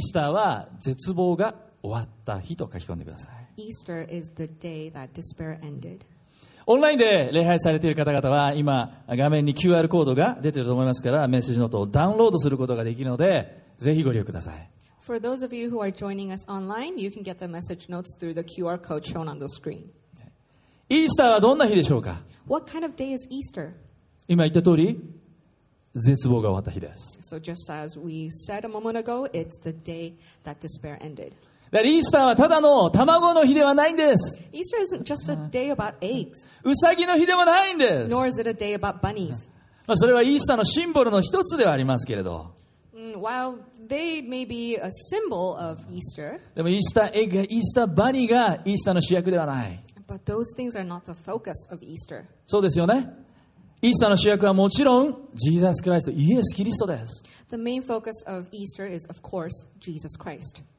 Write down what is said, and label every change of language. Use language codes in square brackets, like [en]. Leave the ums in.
[ja] スターは絶望が終わった日と書き込んでください。 [en] Easter is the day that despair ended. [ja] オンラインで礼拝されている方々は今画面に QR コードが出ていると思いますからメッセージの音をダウンロードすることができるのでぜひご利用ください。 [en] For those of you who are joining us online, you can get the message notes through the QR code shown on the screen. [ja] イースターはどんな日でしょうか [en] ?What kind of day is Easter? [ja] 今言った通り絶望が終わった日です。 [en] So just as we said a moment ago, it's the day that despair ended. [ja] イースターはただの卵の日ではないんです。 [en] イースター just a day about eggs. [ja] うさぎの日でもないんです。 [en] Nor is it a day about bunnies. [ja] まあそれはイースターのシンボルの一つではありますけれど。 [en] While they may be a symbol of Easter, [ja] でもイースターエッグ、イースターバニーがイースターの主役ではない。 [en] But those things are not the focus of Easter. [ja] そうですよね。イースターの主役はもちろん、ジーザス・クライスト、イエス・キリストです。 [en] The main focus of Easter is, of course, Jesus Christ.